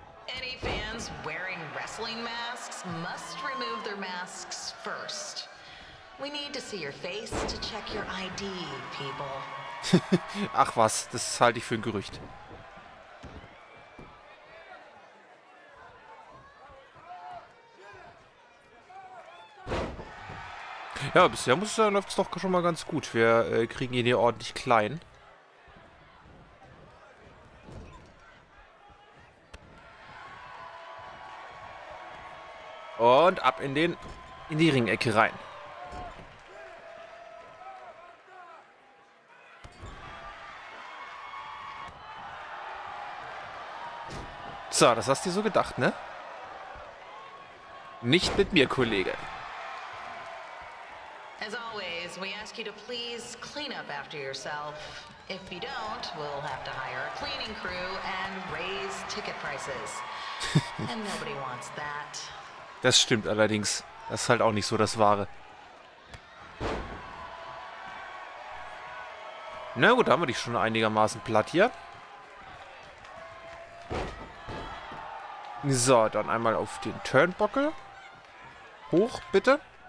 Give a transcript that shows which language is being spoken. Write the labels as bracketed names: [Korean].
[English] Any fans wearing wrestling masks must remove their masks first. We need to see your face to check your ID, people. [German] Ach was, das halte ich für ein Gerücht. Ja, bisher läuft es doch schon mal ganz gut. Wir kriegen ihn hier ordentlich klein. Und ab in die Ringecke rein. So, das hast du dir so gedacht, ne? Nicht mit mir, Kollege. [English] As always, we ask you to please clean up after yourself. If you don't, we'll have to hire a cleaning crew and raise ticket prices. And nobody wants that. [German] Das stimmt allerdings. Das ist halt auch nicht so das Wahre. Na gut, da haben wir dich schon einigermaßen platt hier. So, dann einmal auf den Turnbuckle. Hoch, bitte.